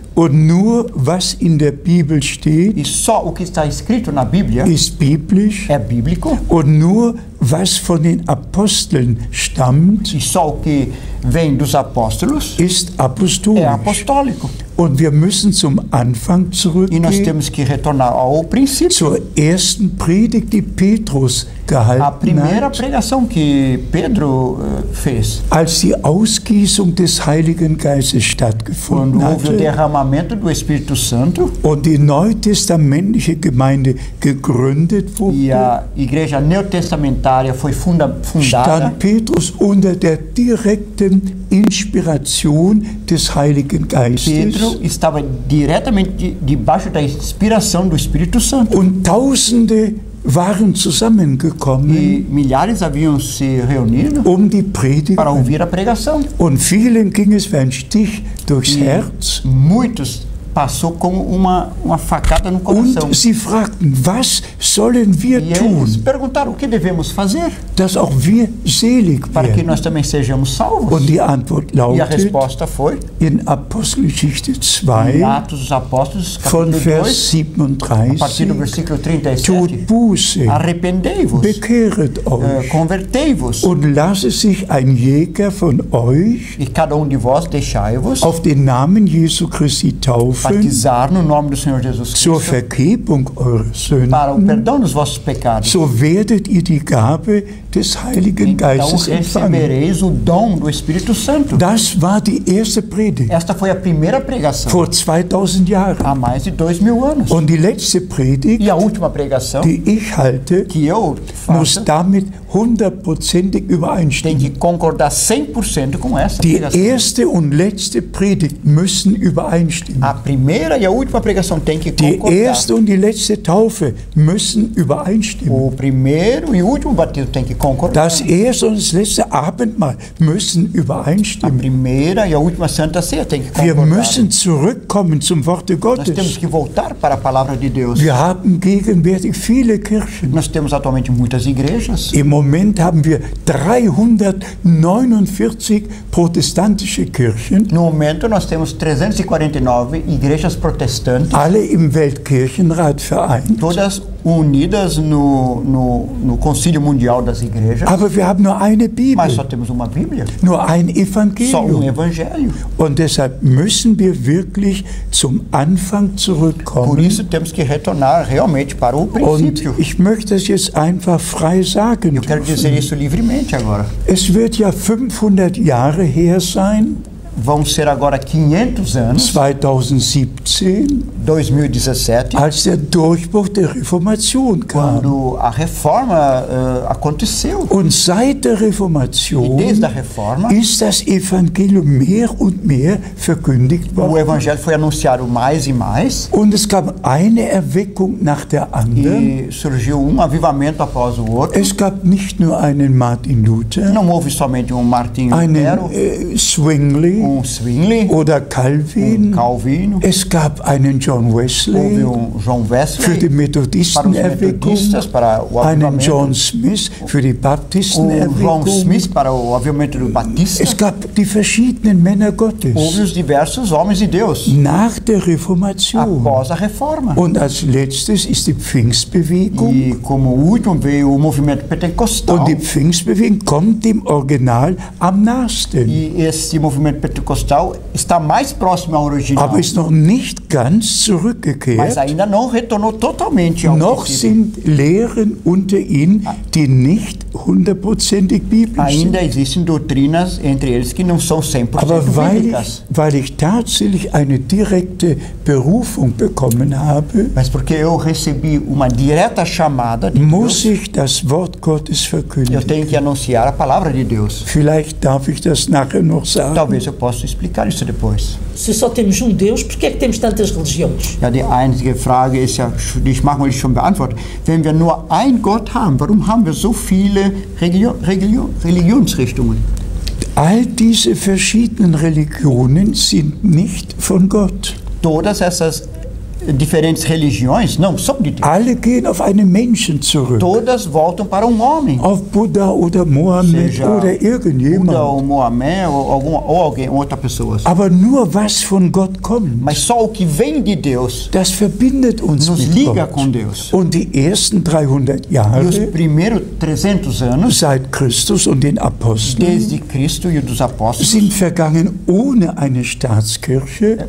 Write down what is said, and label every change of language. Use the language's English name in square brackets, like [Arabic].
[German] Und nur was in der Bibel steht. [Portuguese] E só o que está escrito na Bíblia. [German] Ist biblisch. [Portuguese] É bíblico. [German] Und nur was von den Aposteln stammt. [Portuguese] E só o que vem dos apóstolos. [German] Ist apostolisch. [Portuguese] É apostólico. [German] Und wir müssen zum Anfang zurückgehen. [Portuguese] E nós temos que retornar ao princípio. [German] Zur ersten Predigt, die Petrus gehalten hat. [Portuguese] A primeira pregação que Pedro fez. [German] Als die Ausgießung des Heiligen Geistes stattgefunden hat. [Portuguese] Quando houve o derramamento do Espírito Santo. [German] Und die neutestamentliche Gemeinde gegründet wurde. [Portuguese] E a igreja neotestamentária foi fundada. [German] Stand Petrus unter der direkten Inspiration des Heiligen Geistes. [Portuguese] Pedro estava diretamente debaixo da inspiração do Espírito Santo. [German] Und tausende waren zusammengekommen. [Portuguese] E milhares haviam se reunido. [German] Um die Predigt. [Portuguese] Para ouvir a pregação. [German] Und vielen ging es wie ein Stich durchs Herz. [Portuguese] Muitos passou como uma facada no coração. [German] Und sie fragten, was sollen wir [Portuguese] e [German] tun? [Portuguese] Eles perguntaram, o que devemos fazer? [German] Dass auch wir selig [Portuguese] para [German] werden. [Portuguese] Que nós também sejamos salvos. [German] Und die Antwort lautet, [Portuguese] e a resposta foi, [German] in Apostelgeschichte 2, [Portuguese] em Atos dos Apóstolos, [German] von Vers 37, [Portuguese] a partir do versículo 37, [German] tut Buße, [Portuguese] arrependei-vos, [German] bekehret euch, [Portuguese] convertei-vos, [German] und lasse sich ein Jäger von euch, [Portuguese] e cada de vós deixai-vos, [German] auf den Namen Jesu Christi taufen, [Portuguese] batizar no nome do Senhor Jesus Cristo [German] zur Vergebung eurer Sünden, [Portuguese] para o perdão dos vossos pecados, [German] so werdet ihr die Gabe des Heiligen Geistes empfangen. [Portuguese] O dom do Espírito Santo. [German] Das war die erste Predigt. [Portuguese] Esta foi a primeira pregação. [German] Vor 2000 Jahren. [Portuguese] Há mais de 2000 anos. [German] Und die letzte Predigt, [Portuguese] e a última pregação, [German] die ich halte, [Portuguese] que eu faço, [German] muss damit hundertprozentig übereinstimmen. [Portuguese] Tem que concordar 100% com essa [German] die [Portuguese] pregação. [German] Die erste und letzte Predigt müssen übereinstimmen. [Portuguese] A primeira e a última pregação tem que [German] die [Portuguese] concordar. [German] Die erste und die letzte Taufe müssen übereinstimmen. [Portuguese] O primeiro e último batismo tem que concordar. [German] Das erste und das letzte Abendmahl müssen übereinstimmen. [Portuguese] A primeira e a última Santa Ceia tem que concordar. [German] Wir müssen zurückkommen zum Wort Gottes. [Portuguese] Nós temos que voltar para a palavra de Deus. [German] Wir haben gegenwärtig viele Kirchen. [Portuguese] Nós temos atualmente muitas igrejas. [German] Im Moment haben wir 349 protestantische Kirchen. [Portuguese] No momento nós temos 349 igrejas protestantes. [German] Alle im Weltkirchenrat vereint. [Portuguese] Todas unidas no Concílio Mundial das Igrejas. [German] Aber wir haben nur eine Bibel. [Portuguese] Mas só temos uma Bíblia. [German] Nur ein Evangelium. [Portuguese] Só Evangelho. [German] Und deshalb müssen wir wirklich zum Anfang zurückkommen. [Portuguese] Por isso temos que retornar realmente para o princípio. [German] Und ich möchte es jetzt einfach frei sagen. [Portuguese] Eu quero dizer isso livremente agora. [German] Es wird ja 500 Jahre her sein. [Portuguese] Vão ser agora 500 anos. [German] 2017. Als der Durchbruch der Reformation kam. [Portuguese] Quando a reforma aconteceu. [German] Und seit der Reformation. [Portuguese] E desde a reforma. [German] Ist das Evangelium mehr und mehr verkündigt worden. [Portuguese] O Evangelho foi anunciado mais e mais. [German] Und es gab eine Erweckung nach der anderen. [Portuguese] E surgiu Avivamento após o outro. [German] Es gab nicht nur einen Martin Luther. [Portuguese] Não houve somente Martin Luther. Zwingli. Zwingli. [German] Oder Calvin. [Portuguese] Calvino. [German] Es gab einen John Wesley. [Portuguese] John Wesley [German] für die Methodisten-Erweckung. Einen John Smith für die Baptisten-Erweckung. [Portuguese] John Smith para o avivamento do Batista. [German] Es gab die verschiedenen Männer Gottes. [Portuguese] Houve os diversos homens de Deus. [German] Nach der Reformation. [Portuguese] Após a Reforma. [German] Und als letztes ist die Pfingstbewegung. [Portuguese] E como último veio o movimento pentecostal. [German] Und die Pfingstbewegung kommt dem Original am nächsten. [Portuguese] E esse movimento pentecostal está mais próximo ao original. [German] Aber ist noch nicht ganz zurückgekehrt. [Portuguese] Mas ainda não retornou totalmente ao [German] noch Brasil. Sind Lehren unter ihnen, die nicht hundertprozentig biblisch [Portuguese] ainda [German] sind. [Portuguese] Existem doutrinas entre eles que não são 100% [German] aber weil [Portuguese] bíblicas. [German] Ich, weil ich tatsächlich eine direkte Berufung bekommen habe, [Portuguese] mas porque eu recebi uma direta chamada de [German] muss [Portuguese] Deus, [German] ich das Wort Gottes verkündigen. [Portuguese] Eu tenho que anunciar a palavra de Deus. [German] Vielleicht darf ich das nachher noch sagen. [Portuguese] Talvez eu possa explicar isso depois. Se só temos Deus, por que é que temos tantas religiões? [German] Ja, die einzige Frage ist ja, die ich mache mir schon beantwortet. Wenn wir nur ein Gott haben, warum haben wir so viele Religionsrichtungen? All diese verschiedenen Religionen sind nicht von Gott. [Portuguese] Todas essas diferentes religiões não são de Deus. [German] Alle gehen auf einen Menschen zurück. [Portuguese] Todas voltam para homem. [German] Auf Buddha oder Mohammed Seja oder irgendjemand. [Portuguese] Buddha ou Mohammed ou alguém, outra pessoa. [German] Aber nur was von Gott kommt. [Portuguese] Mas só o que vem de Deus. [German] Das verbindet uns [Portuguese] nos [German] mit [Portuguese] liga [German] Gott. [Portuguese] Com Deus. [German] Und die ersten 300 Jahre. [Portuguese] Os primeiros 300 anos. [German] Seit Christus und den Aposteln. [Portuguese] Desde Cristo e dos apóstolos. [German] Sind vergangen ohne eine Staatskirche.